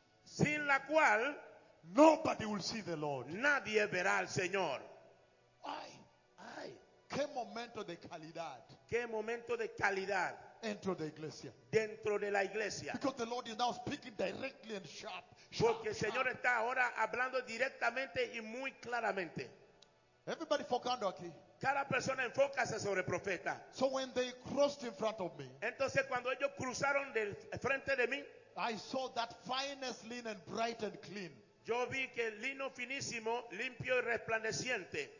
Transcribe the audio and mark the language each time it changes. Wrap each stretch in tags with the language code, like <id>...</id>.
<es>sin la cual,</es> <en>nobody will see the Lord.</en> <es>Nadie verá al Señor. Ay, ay. Qué momento de calidad. Qué momento de calidad. Dentro de la iglesia. Dentro de la iglesia.</es> <en>Because the Lord is now speaking directly and sharp.</en> <es>Porque el Señor está ahora hablando directamente y muy claramente.</es> <en>Everybody</en> <es>focando aquí. Cada persona enfócase sobre el profeta.</es> <en>So when they crossed in front of me,</en> <es>entonces cuando ellos cruzaron del frente de mí,</es> <en>I saw that finest linen bright and clean.</en> <es>Yo vi que el lino finísimo, limpio y resplandeciente.</es>